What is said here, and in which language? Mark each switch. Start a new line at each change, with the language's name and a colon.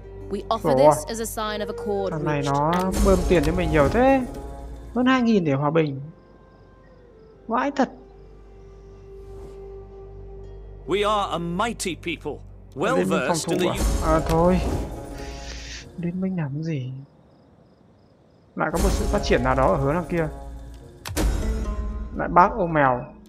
English: We offer this as a sign of accord.
Vietnamese: Thằng này nó bơm tiền cho mình nhiều thế. Hơn 2000 để hòa bình. Vãi thật.
English: We are a mighty people, well versed in the.
Vietnamese: À thôi. Liên minh làm gì? Lại có một sự phát triển nào đó ở hướng nào kia. Lại bác ô mèo.